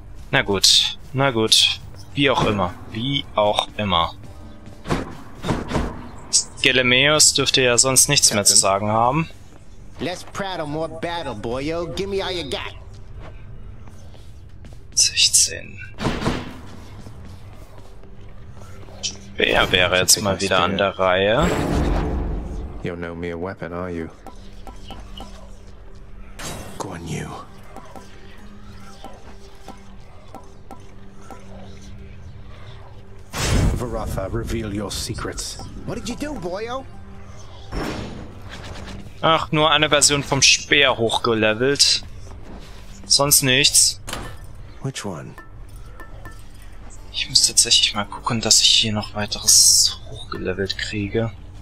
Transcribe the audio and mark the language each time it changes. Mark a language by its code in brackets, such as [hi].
[de] Na gut, na gut. Wie auch immer, wie auch immer. Gelemeus dürfte ja sonst nichts mehr zu sagen haben. [en] Let's prattle more battle, boyo. Give me all you got. [de] 16. Wer wäre jetzt mal wieder an der Reihe? [en] You're no mere weapon, are you? Guan Yu. Varatha, reveal your secrets. What did you do, boyo? [de] Ach, nur eine Version vom Speer hochgelevelt. Sonst nichts. [en] Which one? [de] Ich muss tatsächlich mal gucken, dass ich hier noch weiteres hochgelevelt kriege.